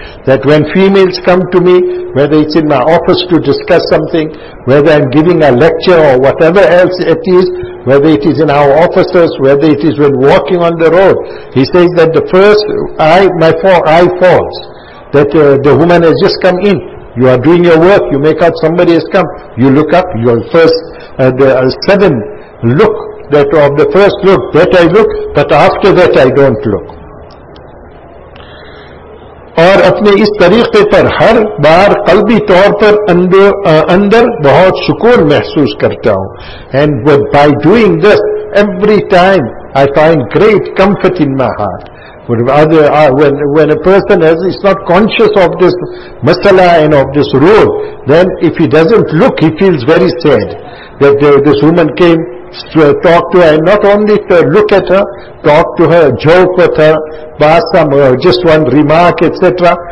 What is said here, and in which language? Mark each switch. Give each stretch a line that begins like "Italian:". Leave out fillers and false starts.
English: That when females come to me, whether it's in my office to discuss something, whether I'm giving a lecture or whatever else it is, whether it is in our offices, whether it is when walking on the road, he says that the first eye falls, that the woman has just come in. You are doing your work, you make out somebody has come, you look up, your first, sudden look, that of the first look, that I look, but after that I don't look.
Urdu: اور اپنے اس طریقے پر ہر بار قلبی طور پر اندر بہت سکون محسوس کرتا ہوں.
English: And by doing this, every time I find great comfort in my heart. When a person is not conscious of this masala and of this rule, then if he doesn't look, he feels very sad that this woman came to talk to her, and not only to look at her, talk to her, joke with her, pass some just one remark, etc.